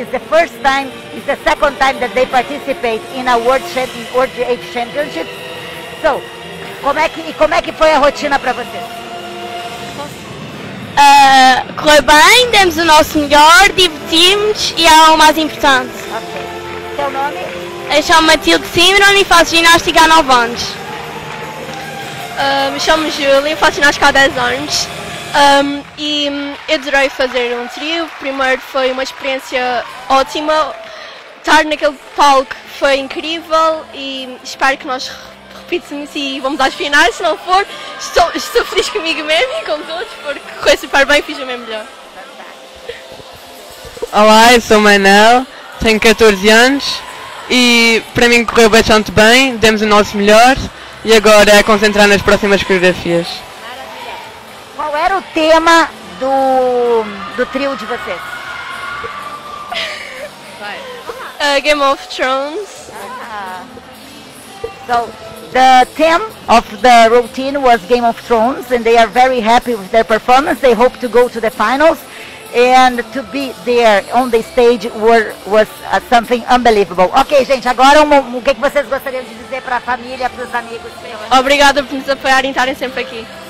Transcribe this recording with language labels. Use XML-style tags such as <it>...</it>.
<en>It's the first time, it's the second time that they participate in a World Age Championship.</en> <pt>So, como é que foi a rotina para vocês? Correu bem, demos o nosso melhor, divertimos e é o mais importante. Ok. Seu nome? Eu chamo Matilde CYMBRON e faço ginástica há 9 anos. Me chamo Júlia e faço ginástica há 10 anos. E eu adorei fazer um trio. Primeiro foi uma experiência ótima. Estar naquele palco foi incrível e espero que nós repitamos e vamos às finais. Se não for, estou feliz comigo mesmo e com todos, porque correu super bem e fiz o meu melhor. Olá, eu sou o Manuel, tenho 14 anos e para mim correu bastante bem, demos o nosso melhor e agora é concentrar nas próximas coreografias. Qual era o tema do trio de vocês?</pt> <en>Game of Thrones. So, the theme of the routine was Game of Thrones, and they are very happy with their performance. They hope to go to the finals, and to be there on the stage was something unbelievable.</en> <pt>Ok, gente, agora o que vocês gostariam de dizer para a família, para os amigos? Obrigada por nos apoiarem e estarem sempre aqui.</pt>